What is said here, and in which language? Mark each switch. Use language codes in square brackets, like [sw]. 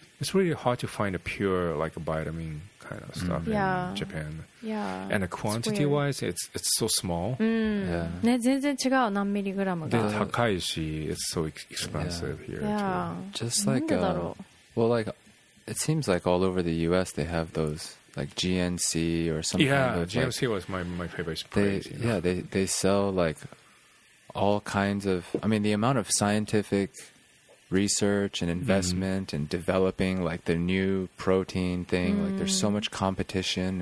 [en] it's really hard to find a pure like a vitamin kind of stuff、in Japan、 yeah. and the quantity wise it's so small、 [ja] ね、全然違う、何ミリグラムが。で高いし、 [en] it's so expensive、 yeah. here、 yeah. too. Just like、well, like it seems like all over the US they have those,like GNC or something. Yeah, GNC like, was my favorite place. They, you know? Yeah, they sell like all kinds of, I mean, the amount of scientific research and investment and developing like the new protein thing, like there's so much competition.